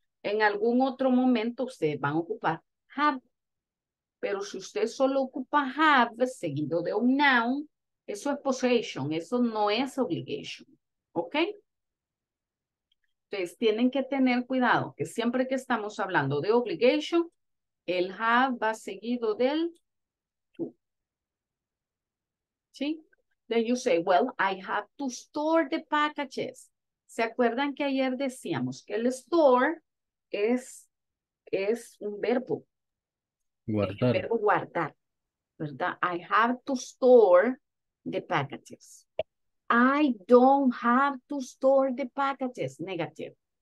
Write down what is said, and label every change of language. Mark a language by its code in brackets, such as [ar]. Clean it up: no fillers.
[es] En algún otro momento ustedes van a ocupar have. Pero si usted solo ocupa have seguido de un noun, eso es possession, eso no es obligation. ¿Ok? Entonces tienen que tener cuidado que siempre que estamos hablando de obligation, el have va seguido del ¿sí? [en] Then you say, well, I have to store the packages. [es] ¿Se acuerdan que ayer decíamos que el store es un verbo? Guardar. El verbo guardar, ¿verdad? [en] I have to store the packages. I don't have to store the packages. Negative.